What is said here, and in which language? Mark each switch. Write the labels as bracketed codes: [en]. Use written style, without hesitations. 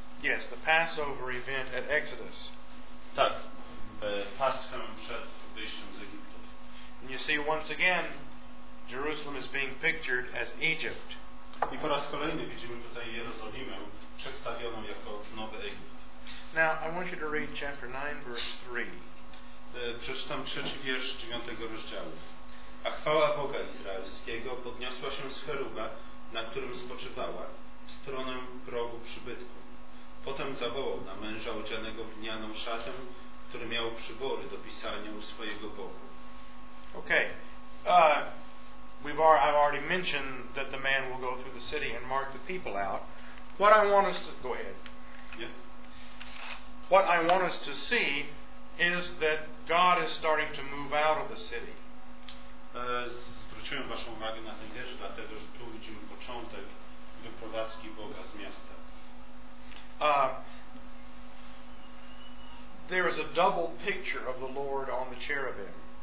[en] Yes, the Passover event at Exodus. [pl] Tak, Paschę przed wyjściem z Egiptu. [en] And you see once again, Jerusalem is being pictured as Egypt. [pl] I po raz kolejny widzimy tutaj Jerozolimę przedstawioną jako nowy Egipt. [en] Now I want you to read chapter 9 verse 3. [pl] Przeczytam trzeci wiersz 9 rozdziału. A chwała Boga Izraelskiego podniosła się z cheruba, na którym spoczywała, w stronę progu przybytku. Potem zawołał na męża odzianego w lnianą szatę, który miał przybory do pisania u swojego Boga. [en] Okay. I've already mentioned that the man will go through the city and mark the people out. What I want us to go ahead. Yeah. What I want us to see is that God is starting to move out of the city. [pl] Zwróciłem waszą uwagę na ten wiersz, dlatego że tu widzimy początek wyprowadzki Boga z miasta. [en] There is a double picture of the Lord on the cherubim.